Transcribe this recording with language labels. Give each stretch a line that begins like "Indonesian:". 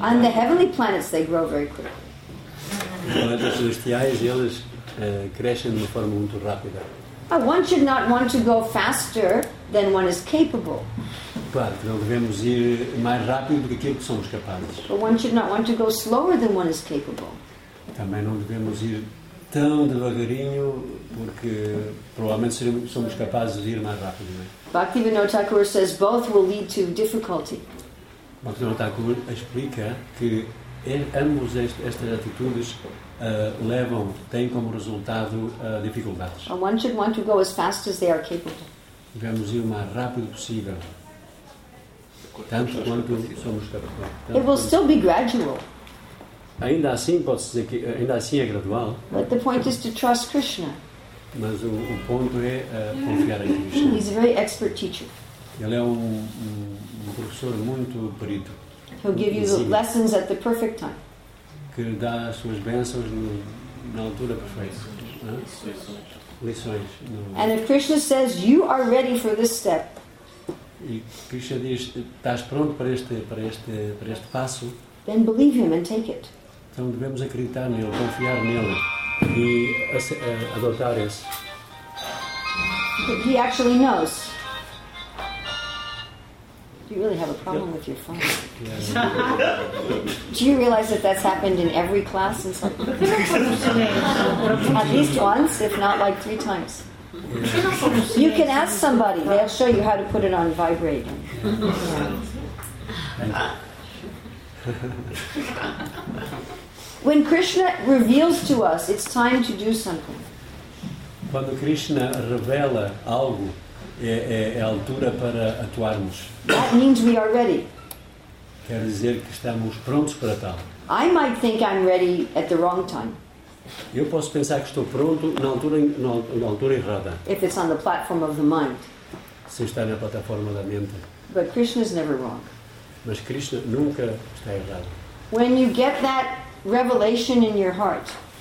English: On the heavenly planets, they grow very quickly.
Portuguese: Os planetas celestiais, eles crescem de uma forma muito rápida.
English: One should not want to go faster than one is capable.
Portuguese: Claro, não devemos ir mais rápido do que aquilo que somos capazes.
English: But one should not want to go slower than one is capable.
Portuguese: Também não devemos ir tão devagarinho porque provavelmente somos capazes de ir mais rápido. Né?
English: Bhaktivinoda Thakur says both will lead to difficulty.
Portuguese: Bhaktivinoda Thakur explica que ambos estas atitudes levam, têm como resultado dificuldades.
English: But one should want to go as fast as they are capable.
Portuguese: Devemos ir o mais rápido possível. Tanto quanto somos capazes.
English: It will still be gradual.
Portuguese: Ainda assim, posso dizer que ainda assim é gradual.
English: But the point is to trust Krishna.
Portuguese: Mas o ponto é confiar em Krishna.
English: He's a very expert teacher.
Portuguese: Ele é um professor muito perito.
English: He'll give you lessons at the perfect time.
Portuguese: Que lhe dá as suas bênçãos na altura perfeita. Lições.
English: And if Krishna says you are ready for this step,
Portuguese: E Krishna diz, estás pronto para este, para este, para este passo?
English: Then believe him and take it.
Portuguese: Então devemos acreditar nele, confiar nele e adotar esse.
English: He actually knows. Do you really have a problem with your phone? Do you realize that that's happened in every class and something? At least once, if not like three times. Yeah. You can ask somebody, they'll show you how to put it on vibrate. When Krishna reveals to us, it's time to do something.
Portuguese: Quando Krishna revela algo, é a altura para atuarmos.
English: That means we are ready.
Portuguese: Quer dizer que estamos prontos para tal.
English: I might think I'm ready at the wrong time.
Portuguese: Eu posso pensar que estou pronto na altura errada.
English: If it's on the platform of the mind.
Portuguese: Se está na plataforma da mente.
English: But Krishna's never wrong.
Portuguese: Mas Krishna nunca está errado.
English: When you get that revelation in your heart.